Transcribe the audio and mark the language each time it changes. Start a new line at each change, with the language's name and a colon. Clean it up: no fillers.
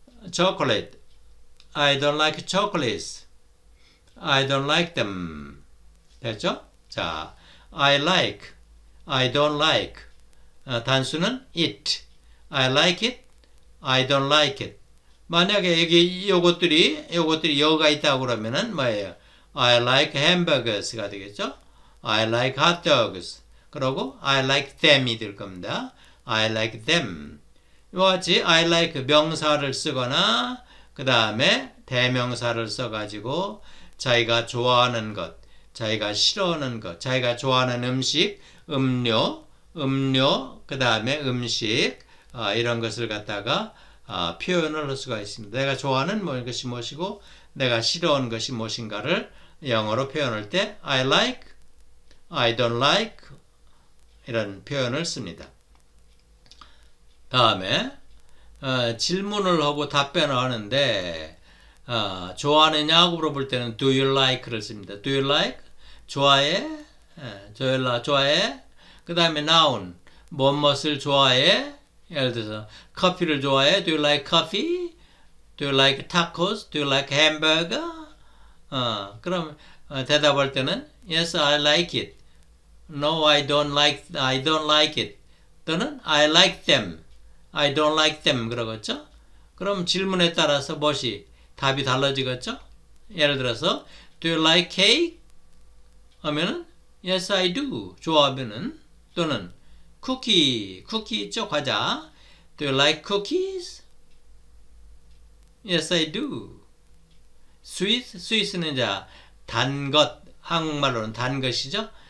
English: 초콜릿. I don't like chocolates. I don't like them.
Korean: 됐죠?
English: 자, I like. I don't like. 단수는 it. I like it. I don't like it.
Korean: 만약에 여기 요것들이 여가 있다고 그러면은 뭐예요?
English: I like hamburgers가
Korean: 되겠죠?
English: I like hot dogs. 그러고 I like them이
Korean: 될 겁니다.
English: I like them.
Korean: 이와 같이 I like 명사를 쓰거나 그 다음에 대명사를 써가지고 자기가 좋아하는 것, 자기가 싫어하는 것, 자기가 좋아하는 음식, 음료, 그 다음에 음식, 이런 것을 갖다가 표현을 할 수가 있습니다. 내가 좋아하는 것이 무엇이고, 내가 싫어하는 것이 무엇인가를 영어로 표현할 때, I like, I don't like, 이런 표현을 씁니다. 다음에, 질문을 하고 답변을 하는데, 좋아하느냐고 물어볼 때는 do you like를 씁니다. do you like? 좋아해? 좋아해? 그 다음에 noun, 무엇을 좋아해? 예를 들어서, 커피를 좋아해?
English: do you like coffee? do you like tacos? do you like hamburger?
Korean: 그럼 대답할 때는
English: yes, I like it. no, I don't like it. 또는 I like them. I don't like them.
Korean: 그러겠죠? 그럼 질문에 따라서 무엇이 답이 달라지겠죠? 예를 들어서,
English: Do you like cake? 하면은, Yes, I do.
Korean: 좋아하면은, 또는, 쿠키 있죠? 과자.
English: Do you like cookies? Yes, I do.
Korean: Sweet는 이제 단 것, 한국말로는 단 것이죠?